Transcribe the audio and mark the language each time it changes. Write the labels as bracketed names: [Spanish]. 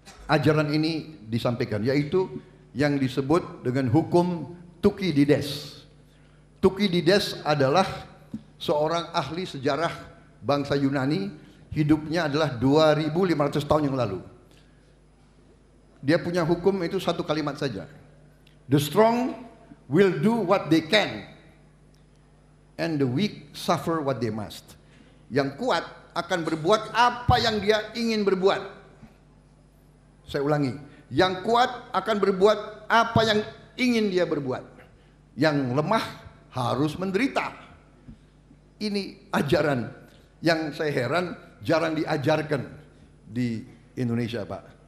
[Indonesian] Ajaran ini disampaikan, yaitu yang disebut dengan hukum Tukidides. Tukidides adalah seorang ahli sejarah bangsa Yunani, hidupnya adalah 2500 tahun yang lalu. Dia punya hukum itu satu kalimat saja. [English] The strong will do what they can, and the weak suffer what they must. [Indonesian] Yang kuat akan berbuat apa yang dia ingin berbuat. Saya ulangi. Yang kuat akan berbuat apa yang ingin dia berbuat. Yang lemah harus menderita. Ini ajaran yang saya heran jarang diajarkan di Indonesia, Pak.